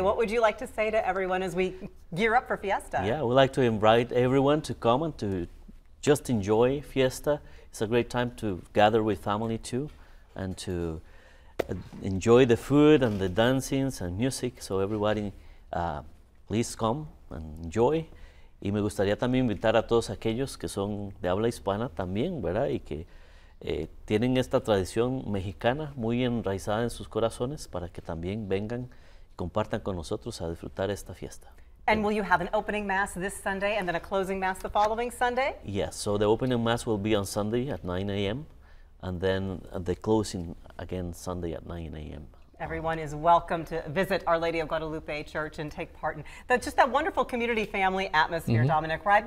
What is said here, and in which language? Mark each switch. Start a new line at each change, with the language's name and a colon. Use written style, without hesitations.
English: What would you like to say to everyone as we gear up for Fiesta? Yeah, we'd like to invite everyone to come and to just enjoy Fiesta. It's a great time to gather with family too, and to enjoy the food and the dancings and music. So everybody, please come and enjoy.
Spanish: Y me gustaría también invitar a todos aquellos que son de habla hispana también, ¿verdad? Y que tienen esta tradición mexicana muy enraizada en sus corazones para que también vengan y compartan con nosotros a disfrutar esta fiesta.
English: And will you have an opening mass this Sunday and then a closing mass the following Sunday? Yes, so the opening mass will be on Sunday at 9 a.m. and then the closing again Sunday at 9 a.m. Everyone is welcome to visit Our Lady of Guadalupe Church and take part in that wonderful community family atmosphere, Dominic, right?